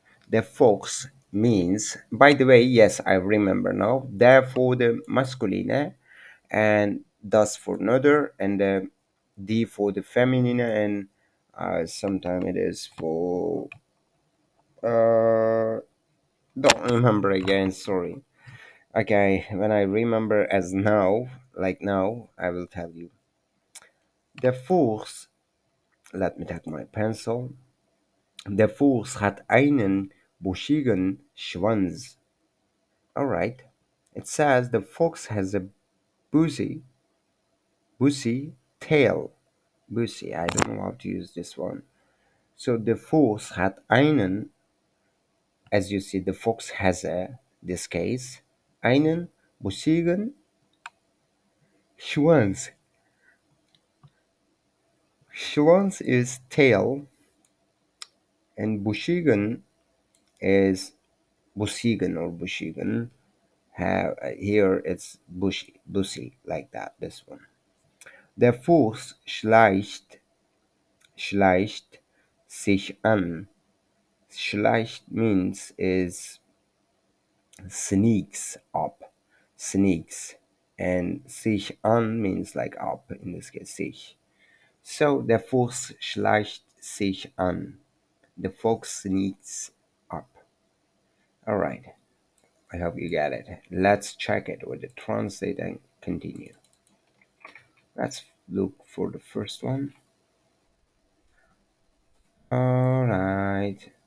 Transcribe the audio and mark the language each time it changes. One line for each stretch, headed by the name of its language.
English: Der Fuchs means, by the way, yes, I remember now, der for the masculine and das for another, and the D for the feminine, and sometimes it is for, don't remember again, sorry. Okay, when I remember as now, like now, I will tell you. Der Fuchs, let me take my pencil.
German: Der Fuchs hat einen buschigen Schwanz.
English: Alright, it says the fox has a bushy tail. Bushy, I don't know how to use this one. So the fox
German: hat einen,
English: as you see, the fox has a, this case,
German: einen buschigen Schwanz.
English: Schwanz is tail, and buschigen is buschigen or buschigen. Here it's bushy, like that, this one.
German: Der Fuchs schleicht sich an.
English: Schleicht means is sneaks up, and
German: sich an
English: means like up, in this case sich. So
German: der Fuchs schleicht sich an.
English: The fox sneaks up. All right, I hope you get it. Let's check it with the translate and continue. Let's look for the first one. All right.